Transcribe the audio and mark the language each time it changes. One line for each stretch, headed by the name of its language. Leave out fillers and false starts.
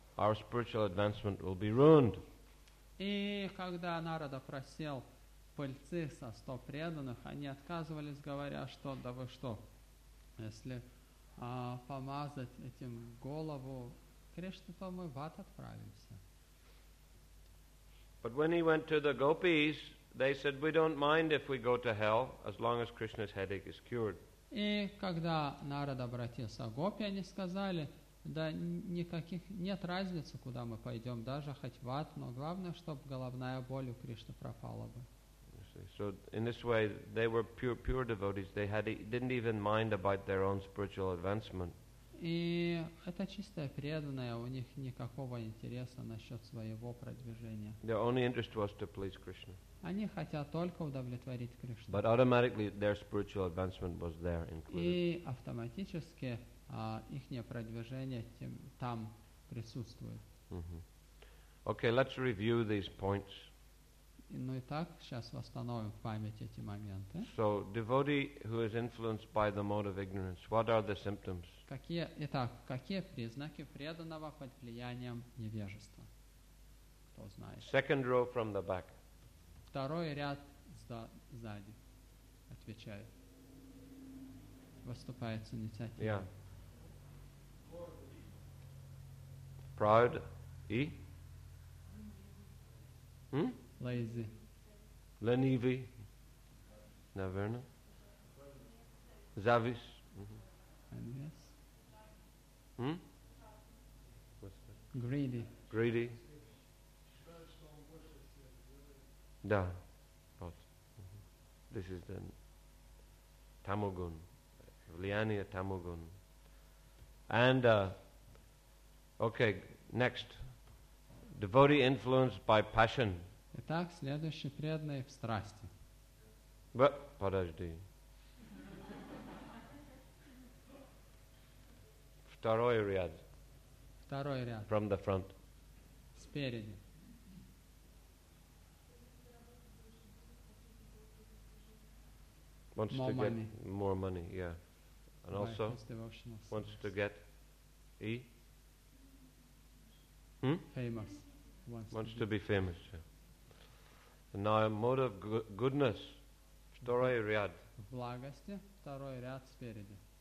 English: Our spiritual advancement will be ruined.
Russian: И когда Нарада просил пыльцы со стоп преданных, они отказывались, говоря, что да вы что, если помазать этим голову Кришне, то мы в ад отправимся.
English: But when he went to the gopis, they said, we don't mind if we go to hell as long as Krishna's headache is cured.
Russian: И когда Нарада обратился к гопи, они сказали, да никаких нет разницы, куда мы пойдем, даже хоть в ад, но главное, чтобы головная боль у Кришны пропала бы.
English: So in this way, they were pure devotees. They didn't even mind about their own spiritual advancement.
Russian: И это чистое преданное, у них никакого интереса насчет своего продвижения.
English: Their only interest was to please Krishna.
Russian: Они хотят только удовлетворить Кришну.
English: But automatically, their spiritual advancement was there included.
Russian: И автоматически их продвижение там присутствует.
English: Okay, let's review these points.
Russian: Ну и так, сейчас восстановим в память эти моменты.
English: So, devotee who is influenced by the mode of ignorance, what are the symptoms?
Russian: Какие признаки преданного под влиянием невежества? Кто знает?
English: Second row from the back.
Russian: Второй ряд сзади отвечает. Выступает с инициативой.
English: Yeah. Proud.
Russian: И?
English: Lazy.
Russian: Lenivy. Наверное. Завис.
English: Envious. What's that? Greedy. Greedy.
Russian: Да. Вот.
English: This is the tamogun.
Russian: Влияние тамогун.
English: And, okay, next. Devotee influenced by passion.
Russian: Итак, следующий преданный в страсти. Подожди. Второй ряд. Второй ряд.
English: From the front.
Russian: Спереди.
English: Wants more to money. Get more money, yeah. And right, also wants to get E? Famous. Wants to be famous, yeah. And now, mode of goodness,
Russian: второй ряд. Благости, второй ряд спереди.